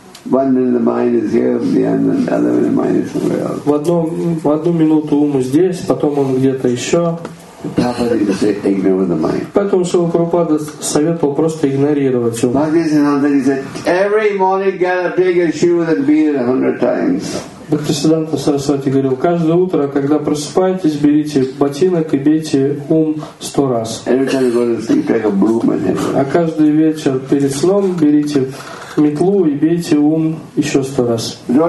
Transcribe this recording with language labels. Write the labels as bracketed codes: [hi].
[en] One minute the mind is here, and the other minute the mind is somewhere else. [ru] В одну минуту ум здесь, потом он где-то еще. Поэтому Шрила Прабхупада советовал просто игнорировать ум. [en] Every morning get a bigger shoe than beat 100 times. [ru] Бхактисиддханта Сарасвати говорил, каждое утро, когда просыпаетесь, берите ботинок и бейте ум 100 раз. А каждый вечер перед сном берите метлу и бейте ум еще 100 раз.